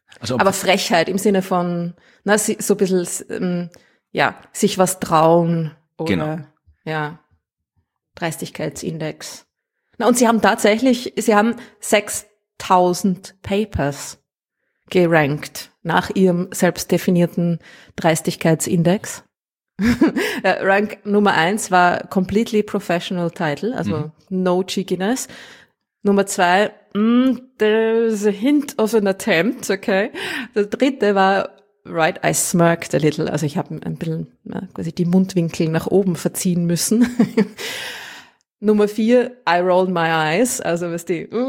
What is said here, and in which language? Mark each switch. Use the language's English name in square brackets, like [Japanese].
[German] Also, aber Frechheit im Sinne von, na, so ein bisschen, ja, sich was trauen oder, genau, ja, Dreistigkeitsindex. Na, und sie haben tatsächlich, sie haben 6000 Papers gerankt nach ihrem selbstdefinierten Dreistigkeitsindex. [English] Rank [German] Nummer 1 war [English] Completely Professional Title, [German] also [English] no cheekiness. [German] Nummer 2, [English] there's a hint of an attempt, okay. [German] Der dritte war, [English] right, I smirked a little. [German] Also ich habe ein bisschen na, quasi die Mundwinkel nach oben verziehen müssen. Nummer 4, [English] I rolled my eyes, [German] also was die.